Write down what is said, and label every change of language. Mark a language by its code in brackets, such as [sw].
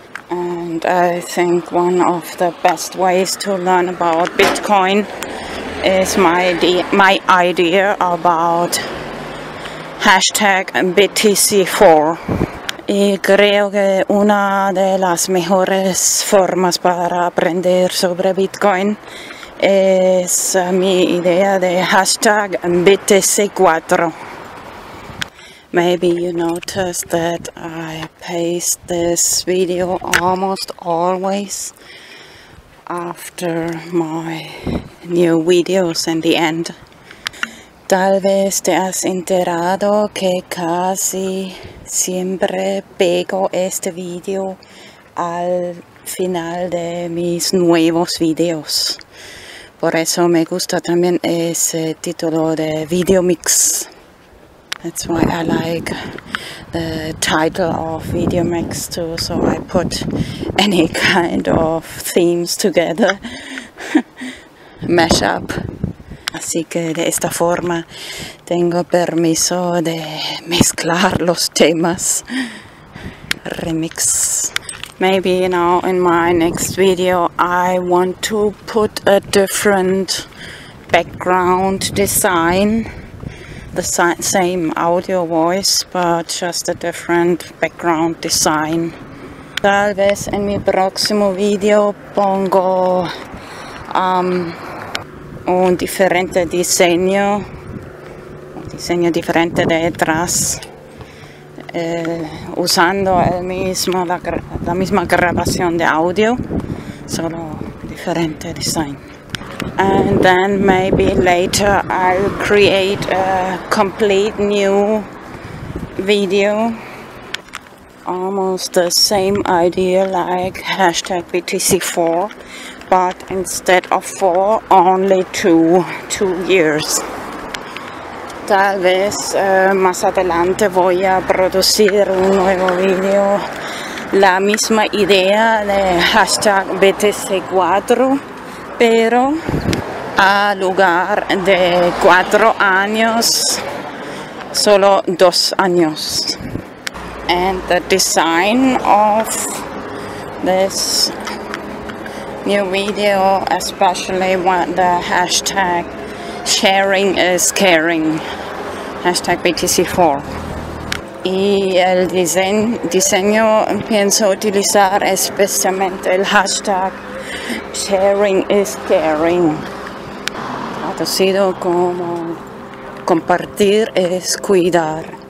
[en] And I think one of the best ways to learn about Bitcoin is my idea about #BTC4. [es] Y creo que una de las mejores formas para aprender sobre Bitcoin es mi idea de #BTC4. [en] Maybe you noticed that I paste this video almost always after my new videos in the end. [es] Tal vez te has enterado que casi siempre pego este video al final de mis nuevos videos. Por eso me gusta también ese título de VideoMix. [en] That's why I like the title of VideoMix too, so I put any kind of themes together, mash up. [es] Así que de esta forma tengo permiso de mezclar los temas. [en] Remix. Maybe, you know, in my next video I want to put a different background design. The same audio voice, but just a different background design. [es] Tal vez en mi próximo video pongo un diferente diseño, un diseño diferente detrás, usando el mismo, la misma grabación de audio, solo diferente design. [en] And then maybe later I'll create a complete new video, almost the same idea like #BTC4. But instead of 4, only 2 years. [es] Tal vez más adelante voy a producir un nuevo video. La misma idea de #BTC4, pero a lugar de 4 años, solo 2 años. [en] And the design of this new video, especially when the hashtag sharing is caring, #BTC4. [es] Y el diseño pienso utilizar especialmente el hashtag [en] sharing is caring, [es] traducido como compartir es cuidar.